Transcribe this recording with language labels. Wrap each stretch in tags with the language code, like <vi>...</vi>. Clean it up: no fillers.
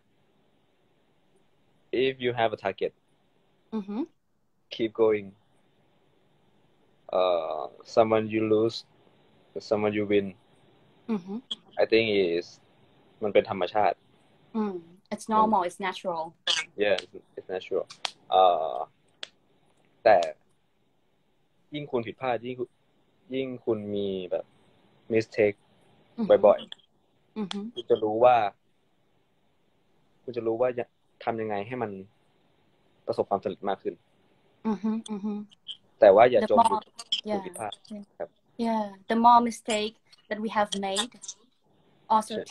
<en>okay if you have a target keep going someone you loseSomeone you win mm-hmm. I think is</en> <th>มันเป็นธรรมชาติ</th> <en>It's normal It's natural Yeah it's natural</en> <th>แต่ยิ่งคุณผิดพลาดยิ่งคุณมีแบบ mistake mm-hmm. บ่อยๆ</th> <en>mm-hmm.</en> <th>คุณจะรู้ว่าทำยังไงให้มันประสบความสำเร็จมากขึ้น</th> <en>mm-hmm.</en> <th>แต่ว่าอย่าจมอยู่ที ผิดพลาดครับ</th> <en>Yeah, the more mistake that we have made also yes.</en>